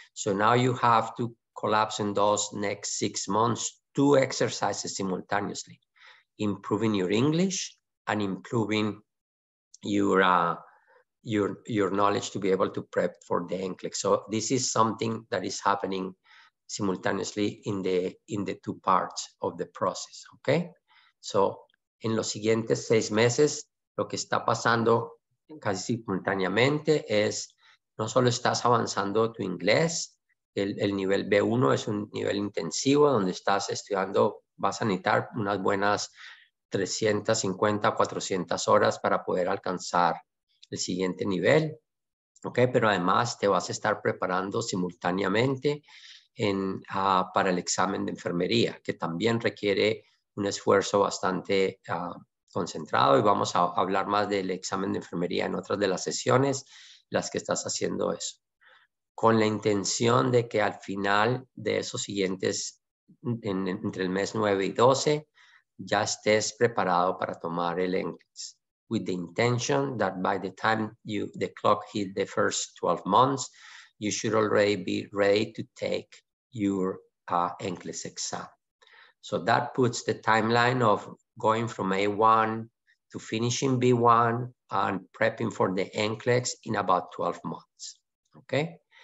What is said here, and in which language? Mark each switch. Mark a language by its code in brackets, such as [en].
[en] So now you have to collapse in those next 6 months, 2 exercises simultaneously, improving your English and improving your knowledge to be able to prep for the NCLEX. So this is something that is happening simultaneously in the 2 parts of the process, okay? [es] So en los siguientes 6 meses, lo que está pasando casi simultáneamente es, no solo estás avanzando tu inglés, el nivel B1 es un nivel intensivo donde estás estudiando, vas a necesitar unas buenas 350, 400 horas para poder alcanzar el siguiente nivel, okay, pero además te vas a estar preparando simultáneamente para el examen de enfermería, que también requiere un esfuerzo bastante concentrado, y vamos a hablar más del examen de enfermería en otras de las sesiones, las que estás haciendo eso, con la intención de que al final de esos siguientes, entre el mes 9 y 12, ya estés preparado para tomar el NCLEX. [en] With the intention that by the time the clock hit the first 12 months, you should already be ready to take your NCLEX exam. So that puts the timeline of going from A1 to finishing B1 and prepping for the NCLEX in about 12 months, okay?